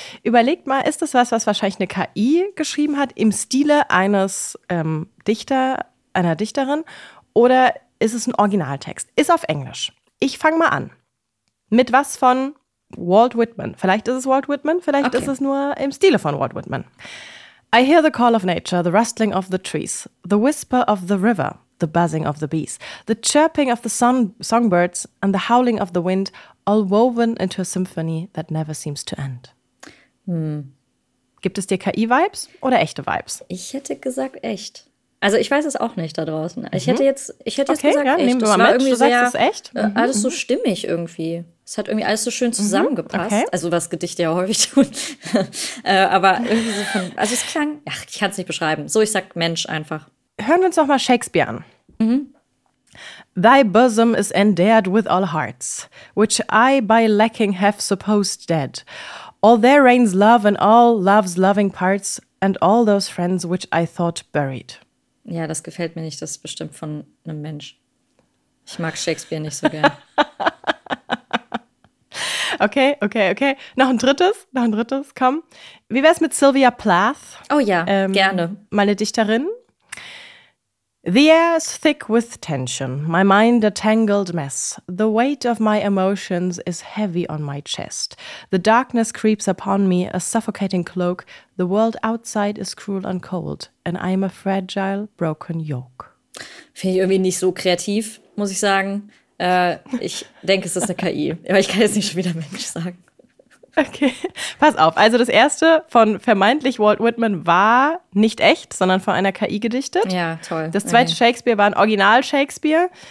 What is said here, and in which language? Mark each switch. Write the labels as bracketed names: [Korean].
[German] Überlegt mal, ist das was, was wahrscheinlich eine KI geschrieben hat im Stile eines einer Dichterin, oder ist es ein Originaltext? Ist auf Englisch. Ich fange mal an. Mit was von Walt Whitman? Vielleicht ist es Walt Whitman, vielleicht okay. Ist es nur im Stile von Walt Whitman. [English] I hear the call of nature, the rustling of the trees, the whisper of the river, the buzzing of the bees, the chirping of the songbirds and the howling of the wind, all woven into a symphony that never seems to end. [German] Gibt es dir KI-Vibes oder echte Vibes? Ich hätte gesagt echt. Also ich weiß es auch nicht da draußen. Ich hätte jetzt gesagt, echt. Alles so stimmig irgendwie. Es hat irgendwie alles so schön zusammengepasst. Okay. Also was Gedichte ja häufig tun. aber irgendwie so von, also es klang, ach, ich kann es nicht beschreiben. So, ich sag Mensch einfach. Hören wir uns doch mal Shakespeare an. [English] Thy bosom is endeared with all hearts, which I by lacking have supposed dead. All there reigns love and all love's loving parts and all those friends which I thought buried. [German] Ja, das gefällt mir nicht. Das ist bestimmt von einem Mensch. Ich mag Shakespeare nicht so gern. Okay. Noch ein drittes, komm. Wie wär's mit Sylvia Plath? Oh ja, gerne. Meine Dichterin. [English] The air is thick with tension, my mind a tangled mess. The weight of my emotions is heavy on my chest. The darkness creeps upon me, a suffocating cloak. The world outside is cruel and cold, and I am a fragile, broken yoke. [German] Finde ich irgendwie nicht so kreativ, muss ich sagen. Ich denke, es ist eine KI, aber ich kann jetzt nicht schon wieder Mensch sagen. Okay, pass auf. Also das erste von vermeintlich Walt Whitman war nicht echt, sondern von einer KI gedichtet. Ja, toll. Das zweite okay. Shakespeare war ein Original-Shakespeare.